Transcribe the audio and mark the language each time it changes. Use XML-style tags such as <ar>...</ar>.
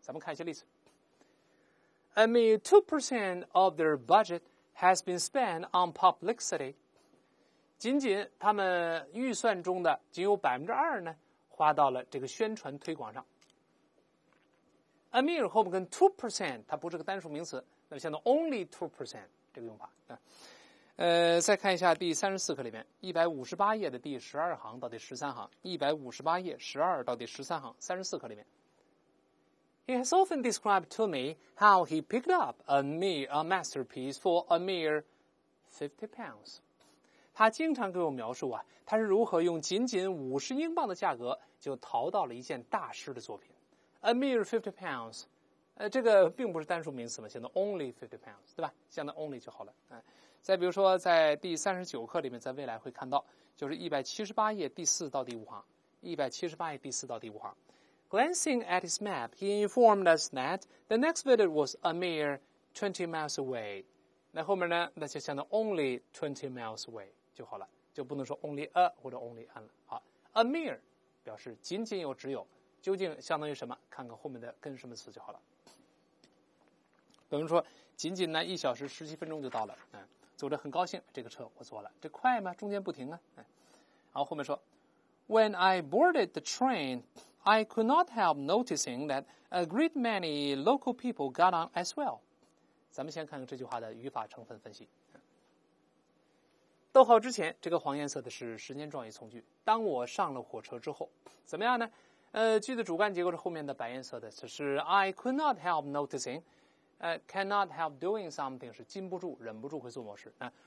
<zh>咱们看一些例子</zh> <en>：A mere 2% of their budget has been spent on publicity.</en> <zh>仅仅他们预算中的仅有 2% 呢花到了这个宣传推广上。</zh> <en>a mere</en> <zh>后面跟 2% 它不是个单数名词，那么相当</zh> <en>only 2%</en> <zh>这个用法。再看一下第34课里面158页的第12行到第13行，158页12到第13行34课里面，</zh> <en>He has often described to me how he picked up a masterpiece for a mere £50.</en> <zh>他经常给我描述啊，他是如何用仅仅50英镑的价格就淘到了一件大师的作品。</zh> <en>A mere £50，</en> <zh>这个并不是单数名词嘛，相当</zh> <en>only £50，</en> <zh>对吧？相当 only 就好了。再比如说，在第39课里面，在未来会看到，就是178页第4到第5行，178页第4到第5行。</zh> <en>Glancing at his map, he informed us that the next village was a mere 20 miles away.</en> <zh>那后面呢，那就相当</zh> <en>only 20 miles away</en> <zh>就好了，就不能说</zh> <en>only a</en> <zh>或者</zh> <en>only an</en> <zh>了。好，</zh> <en>a mere</en> <zh>表示仅仅有只有，究竟相当于什么，看看后面的跟什么词就好了。比如说仅仅呢1小时17分钟就到了，走着很高兴，这个车我坐了，这快吗？中间不停啊。然后后面说</zh> <en>When I boarded the train, I could not help noticing that a great many local people got on as well.</en> <zh>咱们先看看这句话的语法成分分析。逗号之前，这个黄颜色的是时间状语从句。当我上了火车之后，怎么样呢？句子主干结构是后面的白颜色的，这是</zh> <en>I could not help noticing， cannot help doing something</en> <zh>是禁不住、忍不住会做某事啊。</zh>